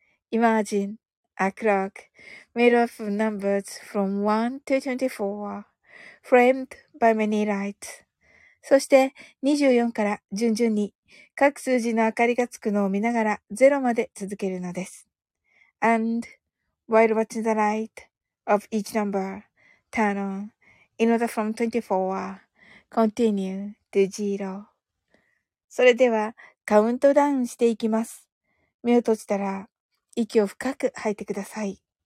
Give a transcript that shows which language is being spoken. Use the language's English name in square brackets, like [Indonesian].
[English] Imagine a clock made of numbers from 1 to 24. Framed by many lights. [Japanese] そして24から順々に各数字の明かりがつくのを見ながら0まで続けるのです。 [English] And while watching the light of each number turn on in order from 24, continue to zero. [Japanese] それではカウントダウンしていきます。目を閉じたら息を深く吐いてください。